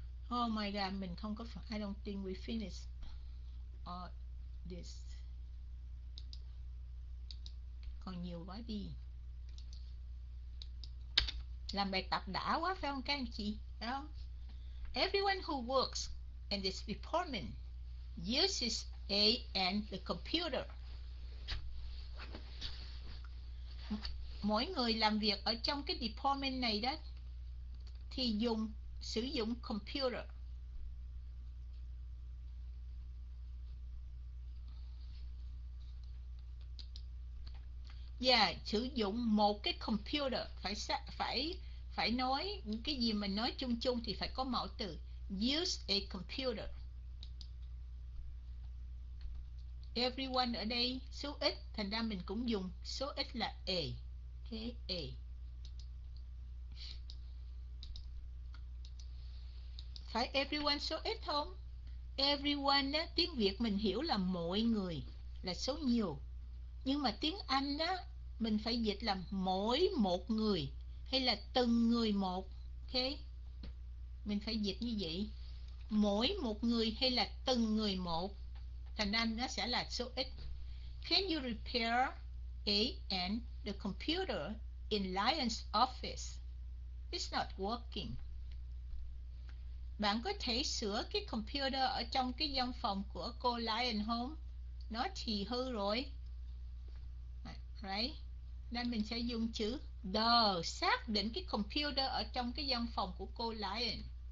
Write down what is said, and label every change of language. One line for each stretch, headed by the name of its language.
English: Oh my god,
Vietnamese: mình không có phần.
English: I don't think we finish this.
Vietnamese: Còn nhiều quá đi. Làm bài tập đã quá phải không các anh chị? Đấy không?
English: Everyone who works in this department uses an the computer.
Vietnamese: Mỗi người làm việc ở trong cái department này đó thì dùng sử dụng computer. Dạ, sử dụng một cái computer phải nói cái gì mình nói chung chung thì phải có mẫu từ
English: use a computer.
Vietnamese: Everyone ở đây số ít thành ra mình cũng dùng số ít là a. Okay, a. Phải everyone số ít không? Everyone á, tiếng Việt mình hiểu là mọi người là số nhiều. Nhưng mà tiếng Anh á mình phải dịch là mỗi một người hay là từng người một. Okay. Mình phải dịch như vậy. Mỗi một người hay là từng người một. Thành ra nó sẽ là số ít.
English: Can you repair an the computer in Lion's office? It's not working.
Vietnamese: Bạn có thể sửa cái computer ở trong cái văn phòng của cô Lion không? Nó thì hư rồi. Right? Nên mình sẽ dùng chữ the, xác định cái computer ở trong cái văn phòng của cô Lion.